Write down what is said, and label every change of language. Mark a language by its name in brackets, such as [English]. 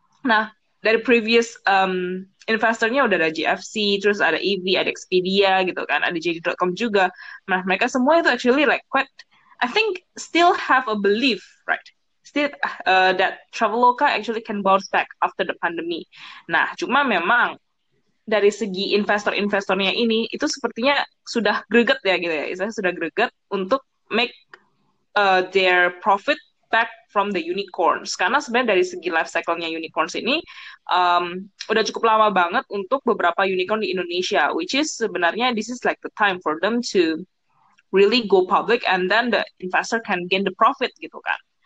[Indonesian] Nah, dari previous investornya udah ada GFC, terus ada EV, ada Expedia gitu kan, ada JD.com juga. [English] Nah, mereka semua itu actually like quite, I think still have a belief, right? Still that Traveloka actually can bounce back after the pandemic. [Indonesian] Nah, cuma memang dari segi investor-investornya ini, itu sepertinya sudah greget ya gitu ya, istilahnya sudah greget untuk make their profit back from the unicorns. Karena sebenarnya dari segi life cycle-nya unicorns ini, udah cukup lama banget untuk beberapa unicorn di Indonesia, which is sebenarnya this is like the time for them to really go public and then the investor can gain the profit gitu kan.